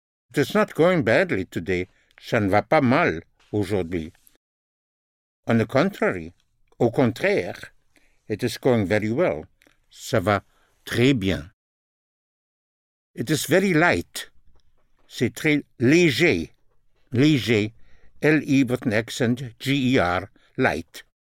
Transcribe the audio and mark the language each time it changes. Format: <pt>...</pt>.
<en>It is not going badly today.</en> <fr>Ça ne va pas mal aujourd'hui.</fr> <en>On the contrary,</en> <fr>au contraire,</fr> <en>it is going very well.</en> <fr>Ça va très bien.</fr> <en>It is very light.</en> <fr>C'est très léger. Léger.</fr> <en>L-E with an accent, G-E-R, light.</en>